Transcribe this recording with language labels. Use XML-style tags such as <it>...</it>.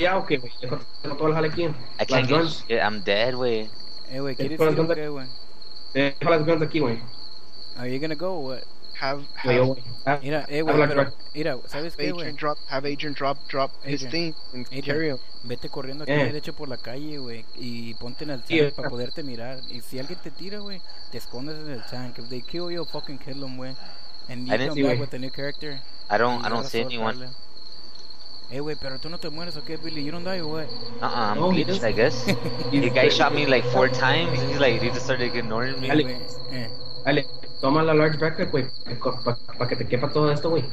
<es>Yeah, okay, güey. Dejo todo el jalequín.</es> <en>I can't las get guns. Shit. I'm dead, güey.</en> <es>Hey, güey, ¿quieres ir o qué, güey? Dejo las guns aquí, güey.</es> <en>Are you gonna go or what? Have</en> <es>mira, hey, güey, mira, ¿sabes qué, güey?</es> <en>Have Agent drop his thing and carry him.</en> <es>Vete corriendo aquí derecho por la calle, güey, y ponte en el tanque para poderte mirar. Y si alguien te tira, güey, te escondes en el tanque.</es> <en>If they kill you, fucking kill them, güey. And you come back with a new character. I don't see anyone. Hey, güey,</en> <es>pero tú no te mueres,</es> <en>okay, Billy? You don't die, or what? I'm a bitch, I guess. The guy shot me like 4 times. He's like, he just started ignoring me.</en> <es>Ale. Toma la large backpack, güey, pa que te quepa todo esto, güey.</es>